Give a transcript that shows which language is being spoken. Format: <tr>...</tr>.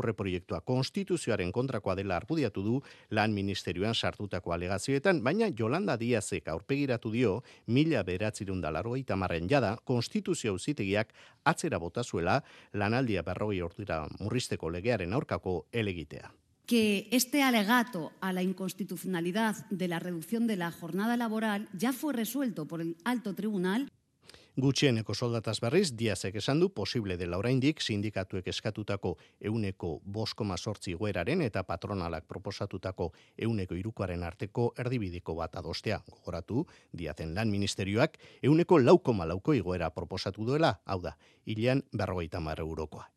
<eu>aurreproiektua konstituzioaren kontrakoa dela argudiatu du lan ministerioan sartutako alegazioetan, baina Yolanda Díazek aurpegiratu dio 1980ean jada konstituzio auzitegiak atzera bota zuela lanaldia 40 ordura murrizteko legearen aurkako elegitea.</eu> <es>Que este alegato a la inconstitucionalidad de la reducción de la jornada laboral ya fue resuelto por el alto tribunal.</es> <eu>Gutxieneko soldataz berriz, Díazek esan du posible dela oraindik sindikatuek eskatutako 5,8 igoeraren eta patronalak proposatutako 3%-aren arteko erdibideko bat adostea. Gogoratu, Díazen lan ministerioak 4,4 igoera proposatu duela, hau da, hilean 50 eurokoa.</eu>